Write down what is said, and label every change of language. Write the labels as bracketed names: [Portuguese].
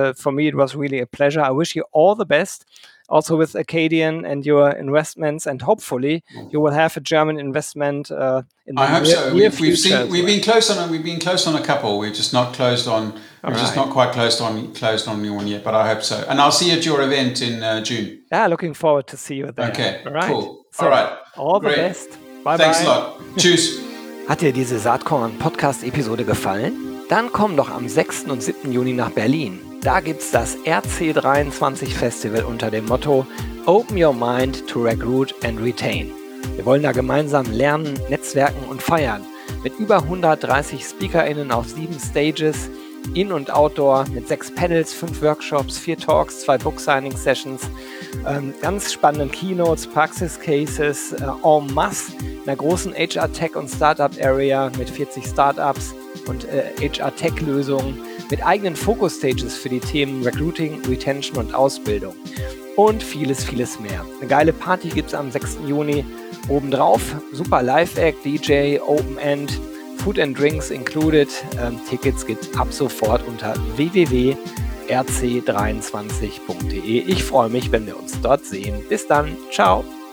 [English] For me, it was really a pleasure. I wish you all the best, also with Acadian and your investments, and hopefully you will have a German investment in the near future. I hope so. We've been close on a couple. We're just not quite closed on anyone yet. But I hope so. And I'll see you at your event in June. Yeah, looking forward to see you there. Okay. All right. Cool. So, all right. All the best. Bye. Thanks bye. A lot. [German] Tschüss. Hat dir diese Saatkorn Podcast Episode gefallen? Dann komm doch am 6. und 7. Juni nach Berlin. Da gibt's das RC23 Festival unter dem Motto [English] Open Your Mind to Recruit and Retain. [German] Wir wollen da gemeinsam lernen, netzwerken und feiern. Mit über 130 SpeakerInnen auf 7 Stages, In- und Outdoor, mit 6 Panels, 5 Workshops, 4 Talks, 2 Book Signing Sessions, ganz spannenden Keynotes, Praxis Cases, en masse, einer großen HR Tech und Startup Area mit 40 Startups und HR-Tech-Lösungen mit eigenen Focus-Stages für die Themen Recruiting, Retention und Ausbildung und vieles, vieles mehr. Eine geile Party gibt es am 6. Juni obendrauf. Super Live-Act, DJ, Open-End, [English] Food and Drinks included. [German] Tickets gibt es ab sofort unter www.rc23.de. Ich freue mich, wenn wir uns dort sehen. Bis dann. Ciao.